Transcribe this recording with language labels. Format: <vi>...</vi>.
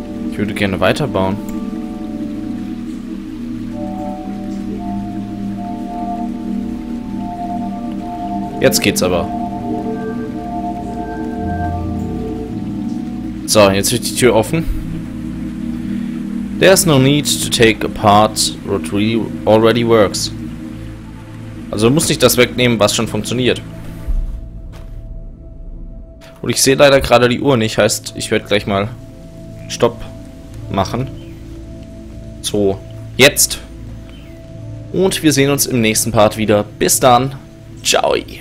<de>ich würde gerne weiterbauen. Jetzt geht's aber. So, jetzt ist die Tür offen.</de> <en>There's no need to take apart what already works.</en> <de>Also muss ich das wegnehmen, was schon funktioniert. Und ich sehe leider gerade die Uhr nicht, heißt, ich werde gleich mal Stopp machen. So, jetzt. Und wir sehen uns im nächsten Part wieder. Bis dann. Ciao.</de>